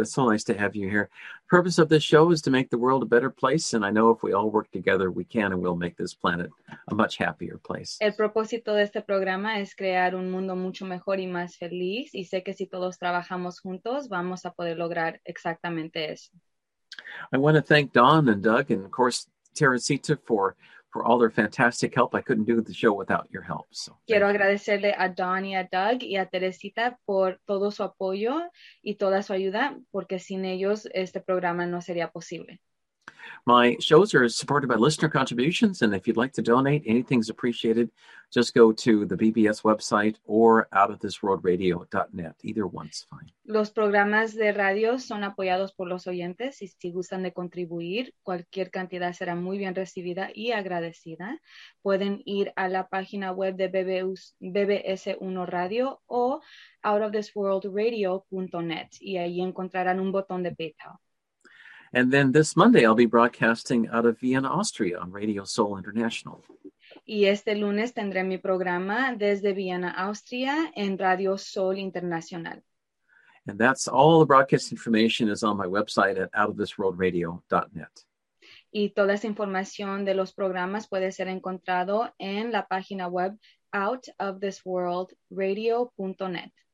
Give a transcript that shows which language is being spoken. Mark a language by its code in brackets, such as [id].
[en] It's so nice to have you here. The purpose of this show is to make the world a better place, and I know if we all work together, we can and will make this planet a much happier place. [es] El propósito de este programa es crear un mundo mucho mejor y más feliz, y sé que si todos trabajamos juntos, vamos a poder lograr exactamente eso. [en] I want to thank Don and Doug and, of course, Teresita for all their fantastic help. I couldn't do the show without your help. So, [es] quiero agradecerle a Don y a Doug y a Teresita por todo su apoyo y toda su ayuda, porque sin ellos este programa no sería posible. [en] My shows are supported by listener contributions, and if you'd like to donate, anything's appreciated. Just go to the BBS website or outofthisworldradio.net. Either one's fine. [es] Los programas de radio son apoyados por los oyentes, y si gustan de contribuir, cualquier cantidad será muy bien recibida y agradecida. Pueden ir a la página web de BBS1 Radio o outofthisworldradio.net, y ahí encontrarán un botón de PayPal. [en] And then this Monday, I'll be broadcasting out of Vienna, Austria on Radio Soul International. [es] Y este lunes tendré mi programa desde Vienna, Austria en Radio Soul Internacional. [en] And that's all the broadcast information is on my website at outofthisworldradio.net. [es] Y toda esa información de los programas puede ser encontrado en la página web outofthisworldradio.net.